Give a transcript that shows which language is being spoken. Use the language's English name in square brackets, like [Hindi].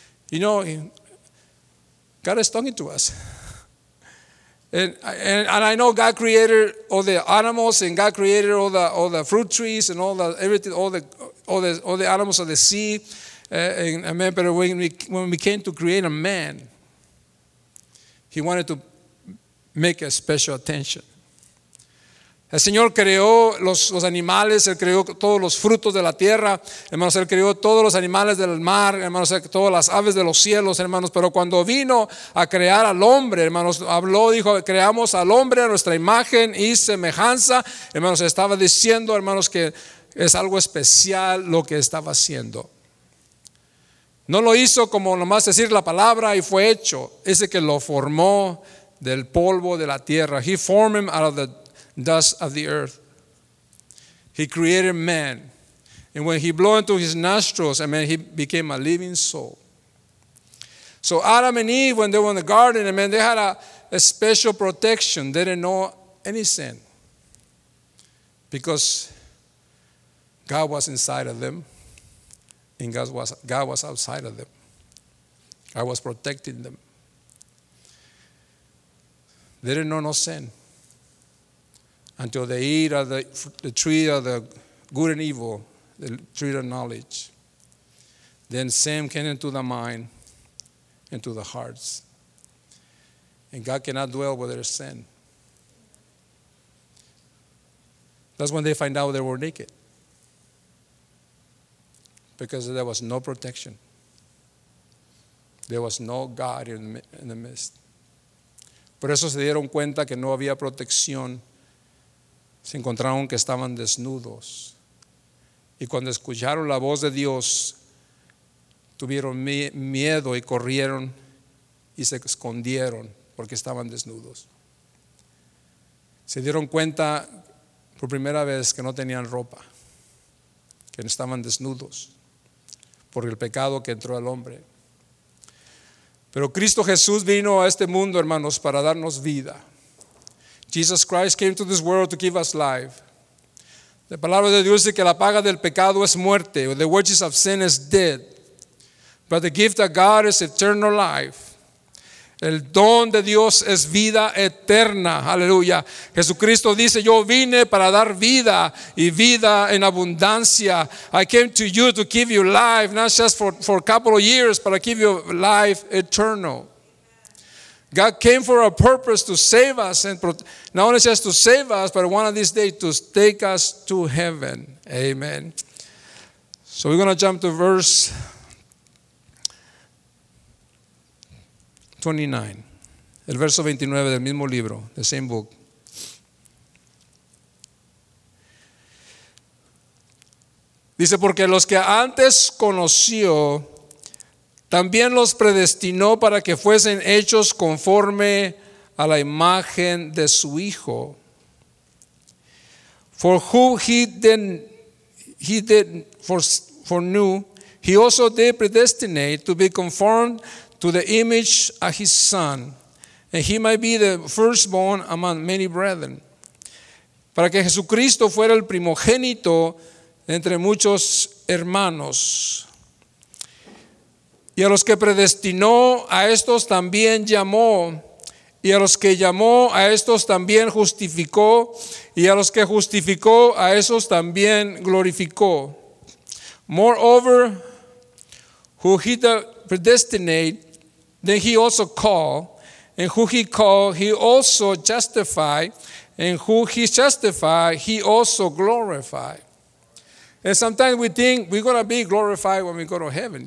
[English] You know, God is talking to us. And I know God created all the animals, and God created all the fruit trees and all the animals of the sea. Amen. But when we came to create a man, he wanted to make a special attention. [Spanish] El Señor creó los animales, Él creó todos los frutos de la tierra, hermanos, Él creó todos los animales del mar, hermanos, todas las aves de los cielos, hermanos, pero cuando vino a crear al hombre, hermanos, habló, dijo, creamos al hombre a nuestra imagen y semejanza, hermanos, estaba diciendo, hermanos, que es algo especial lo que estaba haciendo. No lo hizo como nomás decir la palabra y fue hecho, ese que lo formó del polvo de la tierra. [English] He formed him out of the dust of the earth. He created man. And when he blew into his nostrils, amen, he became a living soul. So Adam and Eve, when they were in the garden, amen, they had a special protection. They didn't know any sin, because God was inside of them, and God was outside of them. God was protecting them. They didn't know no sin until they eat of the tree of the good and evil, the tree of knowledge. Then sin came into the mind, into the hearts. And God cannot dwell where there is sin. That's when they find out they were naked, because there was no protection. There was no God in the midst. [Spanish] Por eso se dieron cuenta que no había protección. Se encontraron que estaban desnudos. Y cuando escucharon la voz de Dios, tuvieron miedo y corrieron y se escondieron porque estaban desnudos. Se dieron cuenta por primera vez que no tenían ropa, que estaban desnudos por el pecado que entró al hombre. Pero Cristo Jesús vino a este mundo, hermanos, para darnos vida. [English] Jesus Christ came to this world to give us life. [Spanish] La palabra de Dios dice que la paga del pecado es muerte. [English] The wages of sin is dead. But the gift of God is eternal life. [Spanish] El don de Dios es vida eterna. Aleluya. Jesucristo dice, yo vine para dar vida y vida en abundancia. [English] I came to you to give you life, not just for a couple of years, but I give you life eternal. God came for a purpose to save us, and not only just to save us, but one of these days to take us to heaven. Amen. So we're going to jump to verse 29, [Spanish] el verso 29 del mismo libro, [English] the same book. [Spanish] Dice, porque los que antes conoció, también los predestinó para que fuesen hechos conforme a la imagen de su Hijo. [English] For who he did foreknew, he also did predestinate to be conformed to the image of his Son, and he might be the firstborn among many brethren. [Spanish] Para que Jesucristo fuera el primogénito entre muchos hermanos. Y a los que predestinó, a estos también llamó. Y a los que llamó, a estos también justificó. Y a los que justificó, a esos también glorificó. [English] Moreover, who he predestinate, then he also called. And who he called, he also justified. And who he justified, he also glorified. And sometimes we think we're going to be glorified when we go to heaven.